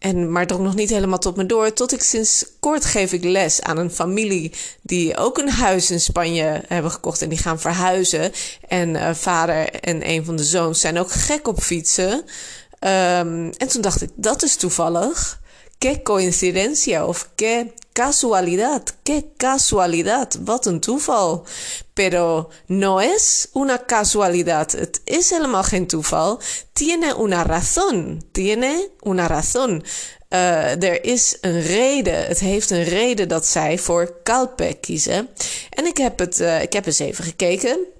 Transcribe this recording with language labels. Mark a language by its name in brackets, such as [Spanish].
[Dutch] Maar het drong nog niet helemaal tot me door. Tot ik sinds kort geef ik les aan een familie die ook een huis in Spanje hebben gekocht. En die gaan verhuizen. En vader en een van de zoons zijn ook gek op fietsen. En toen dacht ik, dat is toevallig. [Spanish] Qué coincidencia of qué casualidad. Qué casualidad. [Dutch] Wat een toeval. [Spanish] Pero no es una casualidad. [Dutch] Het is helemaal geen toeval. [Spanish] Tiene una razón. Tiene una razón. [Dutch] Er is een reden. Het heeft een reden dat zij voor Calpe kiezen. En ik heb eens even gekeken.